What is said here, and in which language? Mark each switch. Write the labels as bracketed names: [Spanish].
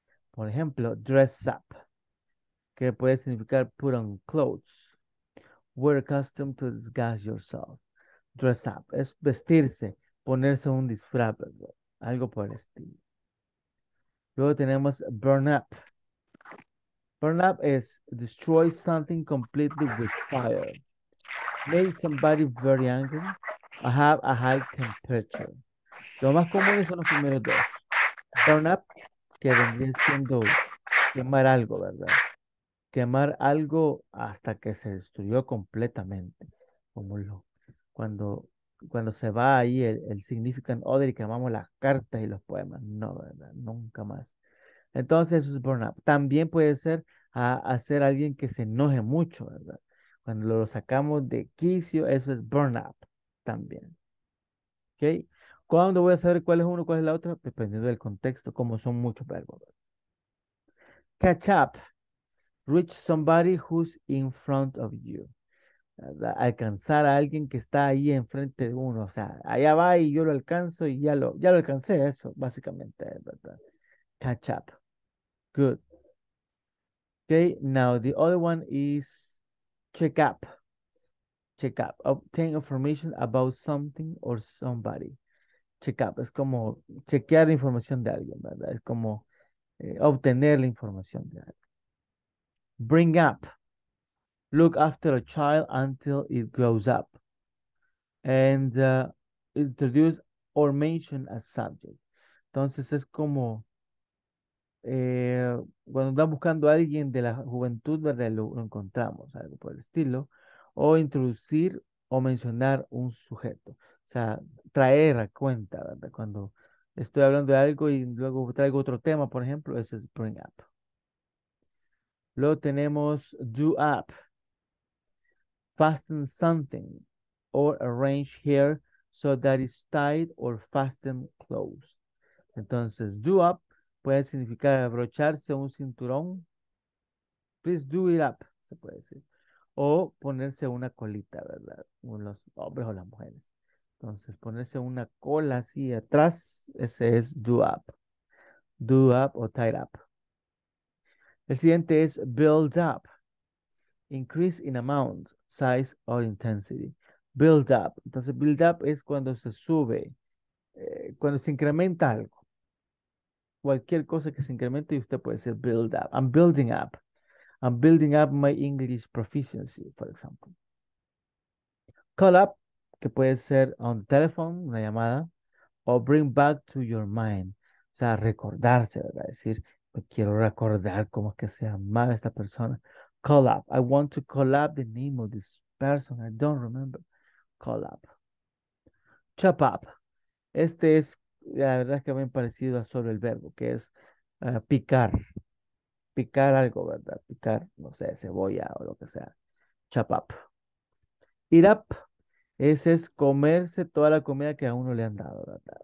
[Spanish] Por ejemplo, dress up, que puede significar [English] put on clothes. Wear a costume to disguise yourself. [Spanish] Dress up es vestirse, ponerse un disfraz, algo por el estilo. Luego tenemos burn up. [English] Burn up es destroy something completely with fire. Make somebody very angry. I have a high temperature. [Spanish] Lo más común son los primeros dos. Burn up. Que vendría siendo quemar algo, ¿verdad? Quemar algo hasta que se destruyó completamente. Como cuando se va ahí el significant other y quemamos las cartas y los poemas. No, ¿verdad? Nunca más. Entonces, eso es burn up. También puede ser hacer a alguien que se enoje mucho, ¿verdad? Cuando lo sacamos de quicio, eso es burn up también. ¿Ok? ¿Cuándo voy a saber cuál es uno, cuál es la otra? Dependiendo del contexto, como son muchos verbos. [English] Catch up. Reach somebody who's in front of you. [Spanish] alcanzar a alguien que está ahí enfrente de uno, o sea, allá va y yo lo alcanzo y ya lo alcancé, eso básicamente, ¿verdad? [English] Catch up. Good. Okay, now the other one is check up. Check up. Obtain information about something or somebody. Check up. [Spanish] Es como chequear la información de alguien, ¿verdad? Es como obtener la información de alguien. Bring up. [English] Look after a child until it grows up. And introduce or mention a subject. [Spanish] Entonces es como cuando están buscando a alguien de la juventud, ¿verdad? Lo encontramos, algo por el estilo. O introducir o mencionar un sujeto. O sea, traer a cuenta, ¿verdad? Cuando estoy hablando de algo y luego traigo otro tema, por ejemplo, ese es bring up. Luego tenemos do up. [English] Fasten something or arrange hair so that it's tied or fastened closed. [Spanish] Entonces, do up puede significar abrocharse un cinturón. [English] Please do it up, [Spanish] se puede decir. O ponerse una colita, ¿verdad? Con los hombres o las mujeres. Entonces, ponerse una cola así atrás, ese es do up. Do up o tie up. El siguiente es build up. [English] Increase in amount, size or intensity. Build up. [Spanish] Entonces, build up es cuando se sube, cuando se incrementa algo. Cualquier cosa que se incremente y usted puede decir build up. [English] I'm building up. I'm building up my English proficiency, for example. [Spanish] Call up, que puede ser [English] on the telephone, [Spanish] una llamada. O [English] bring back to your mind. [Spanish] O sea, recordarse, ¿verdad? Decir, me quiero recordar cómo es que se llamaba esta persona. [English] Call up. I want to call up the name of this person. I don't remember. Call up. Chop up. [Spanish] Este es, la verdad es que bien parecido a solo el verbo, que es picar. Picar algo, ¿verdad? Picar, no sé, cebolla o lo que sea. Chop up. Eat up. Ese es comerse toda la comida que a uno le han dado, ¿verdad?